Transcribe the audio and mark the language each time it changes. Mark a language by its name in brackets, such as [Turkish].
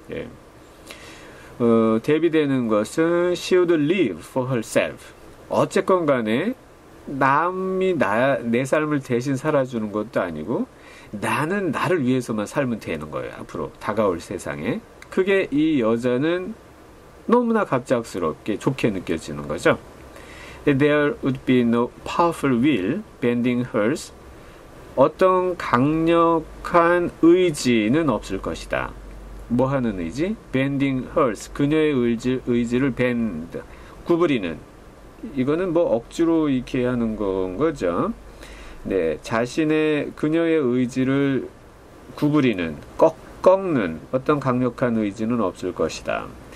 [Korean] 예. 대비되는 것은 [English] she would live for herself. [Korean] 어쨌건 간에 내 삶을 대신 살아주는 것도 아니고 나는 나를 위해서만 살면 되는 거예요. 앞으로 다가올 세상에. 그게 이 여자는 너무나 갑작스럽게 좋게 느껴지는 거죠. [English] There would be no powerful will bending hers. [Korean] 어떤 강력한 의지는 없을 것이다. 뭐 하는 의지? [English] Bending hers. [Korean] 그녀의 의지를 bend. 구부리는. 이거는 뭐 억지로 이렇게 하는 건 거죠. 네, 그녀의 의지를 구부리는, 꺾는 어떤 강력한 의지는 없을 것이다.